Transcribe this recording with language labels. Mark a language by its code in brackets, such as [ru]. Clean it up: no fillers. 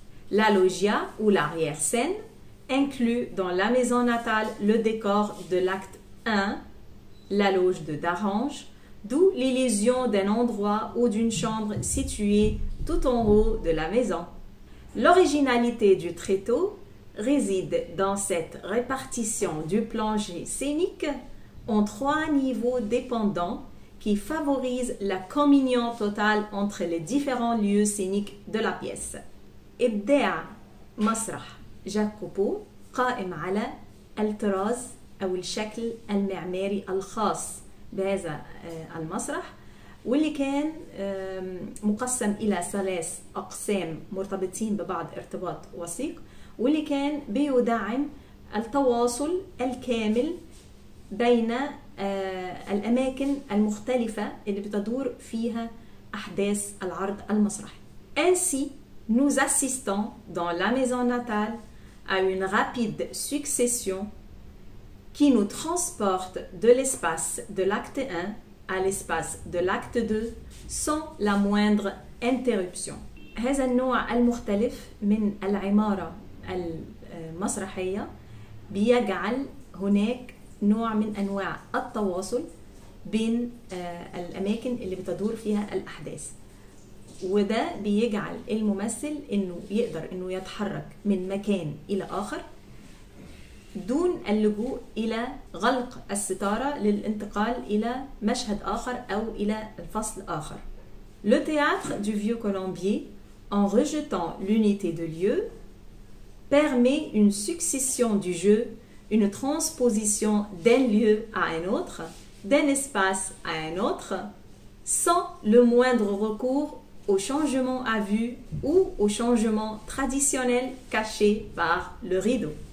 [fr] La loggia ou l'arrière-scène inclut dans la maison natale le décor de l'acte 1, la loge de Darange, d'où l'illusion d'un endroit ou d'une chambre située tout en haut de la maison. L'originalité du tréteau réside dans cette répartition du plancher scénique en trois niveaux dépendants qui favorisent la communion totale entre les différents lieux scéniques de la pièce. [ar] إبداع مسرح جاكوبو قائم على الطراز أو الشكل المعماري الخاص بهذا المسرح، واللي كان مقسم إلى ثلاث أقسام مرتبطين ببعض ارتباط وثيق، واللي كان بيدعم التواصل الكامل بين الأماكن المختلفة اللي بتدور فيها أحداث العرض المسرحي. [fr] Ainsi, nous assistons dans la maison natale à une rapide succession qui nous transporte de l'espace de l'acte 1 à l'espace de l'acte 2 sans la moindre interruption. [ar] هذا النوع المختلف من العمارة المسرحية بيجعل هناك نوع من أنواع التواصل بين الأماكن اللي بتدور فيها الأحداث، وده بيجعل الممثل إنه يقدر إنه يتحرك من مكان إلى آخر دون اللجوء إلى غلق الستارة للانتقال إلى مشهد آخر أو إلى الفصل آخر. [fr] Le théâtre du Vieux Colombier, en rejetant l'unité de lieu, permet une succession du jeu, une transposition d'un lieu à un autre, d'un espace à un autre, sans le moindre recours au changement à vue ou au changement traditionnel caché par le rideau.